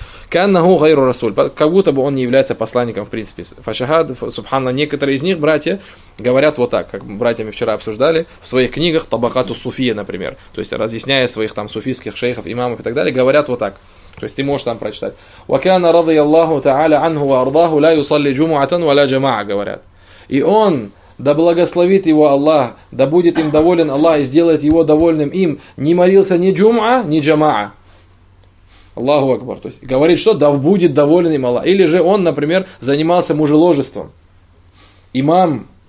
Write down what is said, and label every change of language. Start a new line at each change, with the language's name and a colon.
Russian: Как будто бы он не является посланником, в принципе. Фашахад, субханна, некоторые из них, братья, говорят вот так, как братьями вчера обсуждали, в своих книгах Табакату Суфия, например, то есть разъясняя своих там суфийских шейхов, имамов и так далее, говорят вот так. То есть ты можешь там прочитать.
Arabic: وَكَانَ رَضِيَ اللَّهُ تَعَالَ عَنْهُ وَأَرْضَهُ لَا يُصَلِّ جُمُعَةً وَلَا جَمَعَةً,
Russian: говорят. И он, да благословит его Аллах, да будет им доволен Аллах и сделает его довольным им, не молился ни джума, ни джама'а. Аллаху Акбар. То есть говорит, что да будет доволен им Аллах. Или же он, например, занимался мужеложеством. Имам.